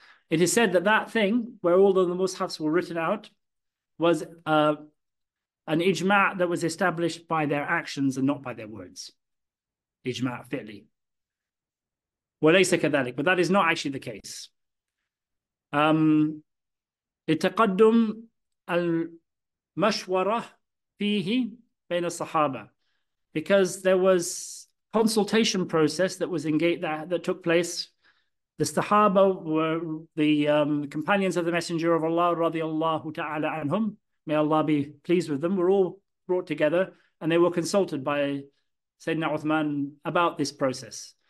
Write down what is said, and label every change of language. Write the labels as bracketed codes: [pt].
[en] It is said that that thing, where all of the mushafs were written out, was an ijma' that was established by their actions and not by their words. [ar] Ijma' fi'li. وَلَيْسَ كَذَلِكَ. [en] But that is not actually the case. [ar] التقدم المشورة فيه بين الصحابة. [en] Because there was consultation process that was engaged, that took place. The Sahaba were the companions of the Messenger of Allah radiallahu ta'ala anhum, may Allah be pleased with them, were all brought together and they were consulted by Sayyidina Uthman about this process.